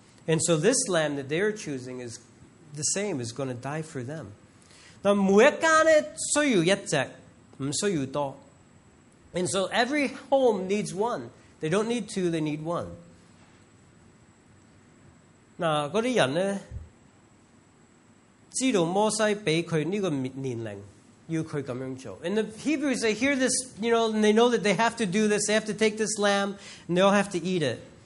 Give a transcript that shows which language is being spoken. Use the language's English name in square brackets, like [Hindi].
[English] And so this lamb that they're choosing is the same, is going to die for them. [Chinese] Now, 每一家呢,需要一隻,不需要多. [English] And so every home needs one. They don't need two, they need one. [Chinese] Now, 那些人呢,知道摩西给他这个年龄,要他这样做. [English] And the Hebrews, they hear this, you know, and they know that they have to do this, they have to take this lamb, and they all have to eat it.